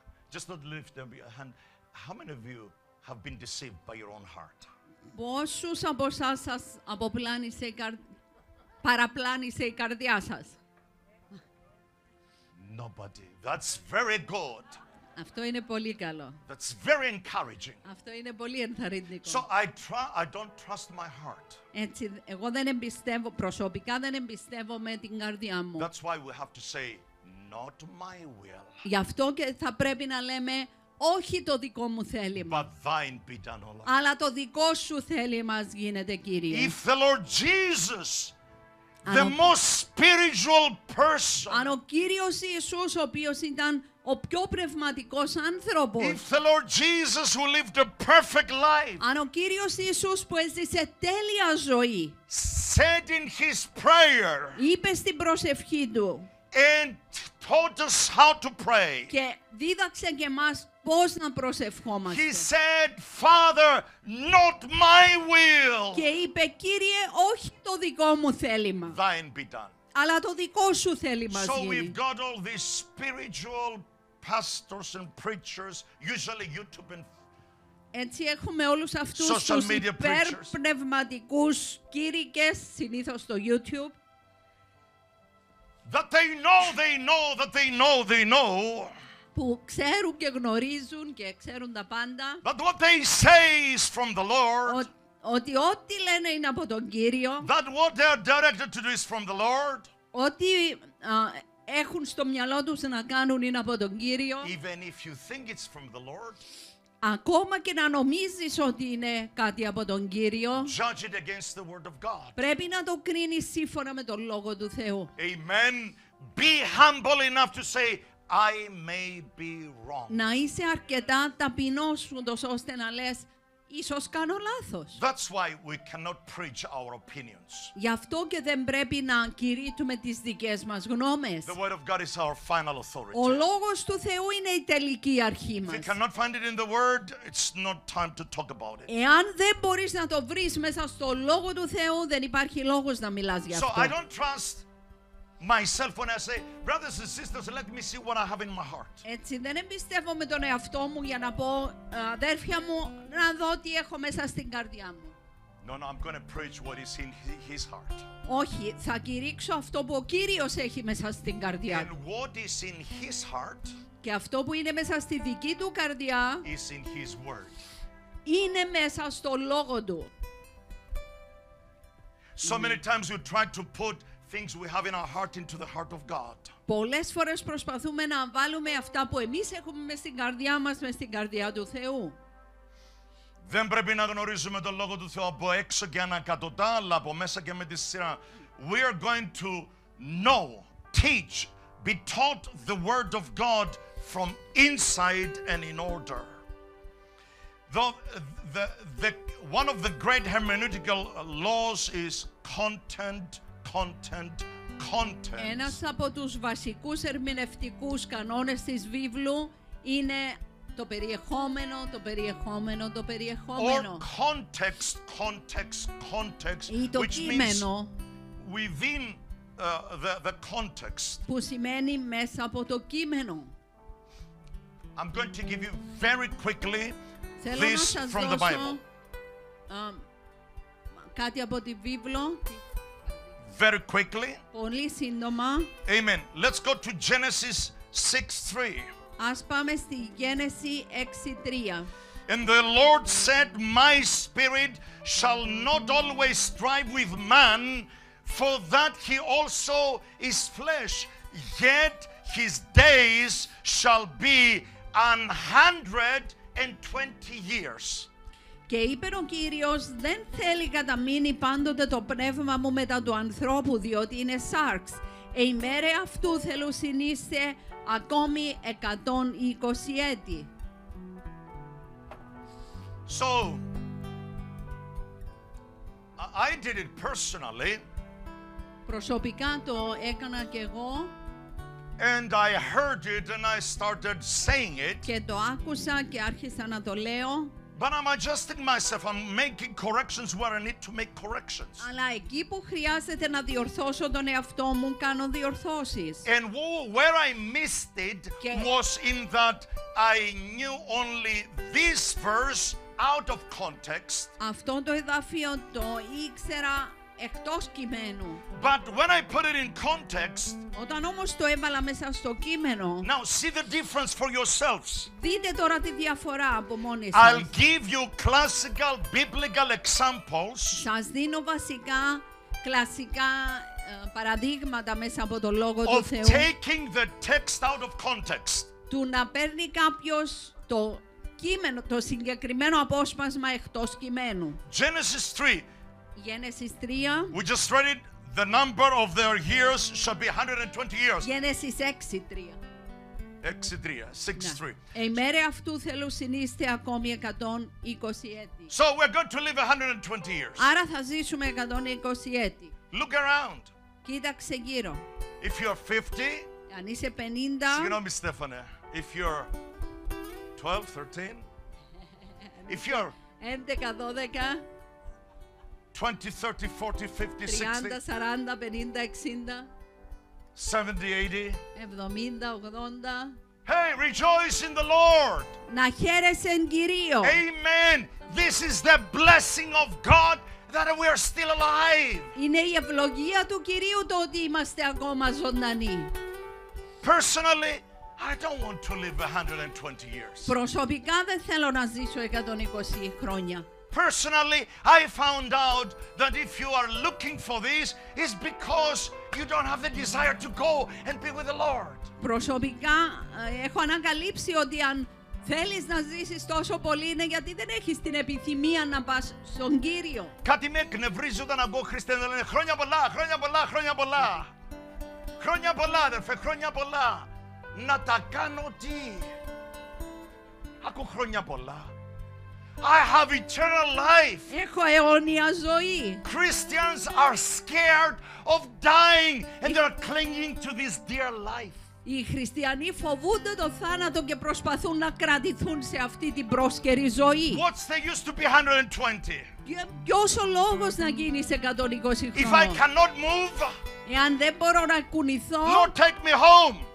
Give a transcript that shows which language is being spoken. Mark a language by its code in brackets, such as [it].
[en] Just don't lift up your hand. How many of you have been deceived by your own heart? [el] Πόσους από εσάς σας αποπλάνησε η καρδιά, παραπλάνησε η καρδιά σας? [en] Nobody. That's very good. [el] Αυτό είναι πολύ καλό. [en] That's very encouraging. [el] Αυτό είναι πολύ ενθαρρυντικό. [en] So I don't trust my heart. [el] Έτσι, εγώ δεν εμπιστεύω, προσωπικά δεν εμπιστεύω με την καρδιά μου. [en] That's why we have to say, not my will. [el] Γι' αυτό και θα πρέπει να λέμε, όχι το δικό μου θέλημα. [en] But thine be done, O Lord. [el] Αλλά το δικό σου θέλημα γίνεται, Κύριε. [en] If the Lord Jesus, the most spiritual person, [el] αν ο Κύριος Ιησούς, ο οποίος ήταν ο πιο πνευματικός άνθρωπος, [en] if the Lord Jesus who lived a perfect life, [el] αν ο Κύριος Ιησούς που έζησε τέλεια ζωή, [en] said in his prayer, [el] είπε στην προσευχή του, [en] and taught us how to pray, [el] και δίδαξε και μας πώς να προσευχόμαστε. [en] He said, Father, not my will. [el] Και είπε, Κύριε, όχι το δικό μου θέλημα. [en] Thine be done. [el] Αλλά το δικό σου θέλημα. [en] So we've got all these spiritual pastors and preachers, usually YouTube and [el] Έτσι έχουμε όλους αυτούς τους υπερπνευματικούς κήρυκες, συνήθως στο YouTube. [en] That they know, they know, that they know, they know. [el] Που ξέρουν και γνωρίζουν και ξέρουν τα πάντα. [en] But what they say is from the Lord. [el] Ότι ό,τι λένε είναι από τον Κύριο. [en] That what they are directed to do is from the Lord. [el] Ότι έχουν στο μυαλό τους να κάνουν είναι από τον Κύριο. [en] Even if you think it's from the Lord. [el] Ακόμα και να νομίζεις ότι είναι κάτι από τον Κύριο, [en] judge it against the word of God. [el] Πρέπει να το κρίνεις σύμφωνα με τον Λόγο του Θεού. [en] Amen. Be humble enough to say, I may be wrong. [el] Να είσαι αρκετά ταπεινός ώστε να λες, ίσως κάνω λάθος. [en] That's why we cannot preach our opinions. [el] Γι' αυτό και δεν πρέπει να κηρύττουμε τις δικές μας γνώμες. [en] The word of God is our final authority. [el] Ο Λόγος του Θεού είναι η τελική αρχή μας. [en] If you cannot find it in the word, it's not time to talk about it. [el] Εάν δεν μπορείς να το βρεις μέσα στο Λόγο του Θεού, δεν υπάρχει λόγος να μιλάς γι' αυτό. [en] So I don't trust myself when I say, brothers and sisters, let me see what I have in my heart. [el] Έτσι δεν εμπιστεύω με τον εαυτό μου για να πω, αδέρφια μου, να δω τι έχω μέσα στην καρδιά μου. [en] No, no, I'm going to preach what is in his heart. [el] Όχι, θα κηρύξω αυτό που ο Κύριος έχει μέσα στην καρδιά. [en] And what is in his heart? [el] Και αυτό που είναι μέσα στη δική του καρδιά. [en] Is in his word. [el] Είναι μέσα στο λόγο του. [en] So many times you try to put things we have in our heart into the heart of God. [el] Πολλές φορές προσπαθούμε να βάλουμε αυτά που εμείς έχουμε μέσα στην καρδιά μας μέσα στην καρδιά του Θεού. Δεν πρέπει να γνωρίζουμε τον λόγο του Θεού από έξω και ανακατοτά, αλλά από μέσα και με τη σειρά. [en] We are going to know, teach, be taught the word of God from inside and in order. The one of the great hermeneutical laws is content. Content. [el] Ένας από τους βασικούς ερμηνευτικούς κανόνες της Βίβλου είναι το περιεχόμενο, το περιεχόμενο, το περιεχόμενο. [en] Or context, context, context. [el] Ή το [en] which [el] κείμενο. [en] Means within the context. [el] Που σημαίνει μέσα από το κείμενο. [en] I'm going to give you very quickly [el] θέλω [en] this from the Bible. [el] Κάτι από τη Βίβλο. [en] Very quickly. [el] Πολύ σύντομα. [en] Amen. Let's go to Genesis 6:3. [el] Ας πάμε στη Γένεση 6:3. [en] And the Lord said, My spirit shall not always strive with man, for that he also is flesh, yet his days shall be 120 years. [el] Και είπε ο Κύριος, δεν θέλει καταμείνει πάντοτε το πνεύμα μου μετά του ανθρώπου, διότι είναι σάρξ. Η ημέρα αυτού θέλω συνείστε ακόμη 120 έτη. [en] So, I did it personally. [el] Προσωπικά το έκανα και εγώ. [en] And I heard it and I started saying it. [el] Και το άκουσα και άρχισα να το λέω. [en] But I'm adjusting myself. I'm making corrections where I need to make corrections. [el] Αλλά εκεί που χρειάζεται να διορθώσω τον εαυτό μου, κάνω διορθώσεις. [en] And where I missed it και was in that I knew only this verse out of context. [el] Αυτό το εδάφιο το ήξερα εκτός κειμένου. [en] But when I put it in context, [el] όταν όμως το έβαλα μέσα στο κείμενο, [en] now see the difference for yourselves. [el] Δείτε τώρα τη διαφορά από μόνοι σας. [en] I'll give you classical biblical examples. [el] Σας δίνω βασικά κλασικά παραδείγματα μέσα από το λόγο [en] of [el] του Θεού. [en] Taking the text out of context. [el] Του να παίρνει κάποιος το κείμενο, το συγκεκριμένο απόσπασμα εκτός κειμένου. [en] Genesis 3. Genesis 3. We just read it. The number of their years shall be 120 years. Genesis 6:3. 6:3. 6:3. [el] Η μέρα αυτού θέλω συνείστε ακόμη 120 έτη. [en] So we're going to live 120 years. [el] Άρα θα ζήσουμε 120 έτη. [en] Look around. [el] Κοίταξε γύρω. [en] If you're 50. [el] Αν είσαι 50. Συγγνώμη, [en] Στέφανε. If you're 12, 13. If you're 11, 12. 20, 30, 40, 50, 60. 30, 40, 50, 60. 70, 80. 70, 80. Hey, rejoice in the Lord. [el] Να χαίρεσαι εν Κυρίω. [en] Amen. This is the blessing of God that we are still alive. [el] Είναι η ευλογία του Κυρίου το ότι είμαστε ακόμα ζωντανοί. [en] Personally, I don't want to live 120 years. [el] Προσωπικά δεν θέλω να ζήσω 120 χρόνια. [en] Personally, I found out that if you are looking for this, it's because you don't have the desire to go and be with the Lord. [el] Προσωπικά έχω ανακαλύψει ότι αν θέλεις να ζήσεις τόσο πολύ είναι γιατί δεν έχεις την επιθυμία να πας στον Κύριο. Κάτι με εκνευρίζει όταν ακούω Χριστιανοί να λένε χρόνια πολλά, χρόνια πολλά, χρόνια πολλά. Χρόνια πολλά, αδερφέ, χρόνια πολλά. Να τα κάνω τι? Ακούω χρόνια πολλά. [en] I have eternal life. [el] Έχω αιώνια ζωή. [en] Christians are scared of dying and they're clinging to this dear life. [el] Οι χριστιανοί φοβούνται το θάνατο και προσπαθούν να κρατηθούν σε αυτή την πρόσκαιρη ζωή. [en] What's the use to be 120? [el] Ποιος ο λόγος να γίνεις 120 χρόνια? [en] If I cannot move, [el] εάν δεν μπορώ να κουνηθώ, [en] Lord, take me home.